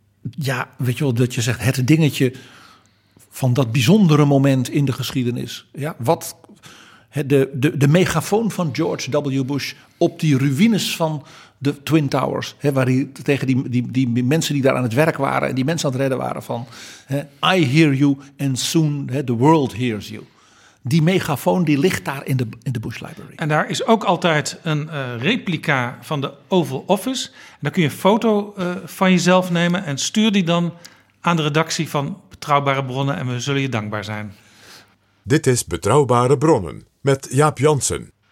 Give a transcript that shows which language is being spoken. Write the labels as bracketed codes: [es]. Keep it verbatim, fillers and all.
[nl] Ja, weet je wel, dat je zegt het dingetje... van dat bijzondere moment in de geschiedenis. Ja, wat de, de, de megafoon van George W. Bush op die ruïnes van de Twin Towers. Hè, waar hij tegen die, die, die mensen die daar aan het werk waren... en die mensen aan het redden waren van... [en] Hè, I hear you and soon hè, the world hears you. [nl] Die megafoon die ligt daar in de, in de Bush Library. En daar is ook altijd een uh, replica van de Oval Office. En dan kun je een foto uh, van jezelf nemen... en stuur die dan aan de redactie van... Betrouwbare Bronnen en we zullen je dankbaar zijn. Dit is Betrouwbare Bronnen met Jaap Jansen.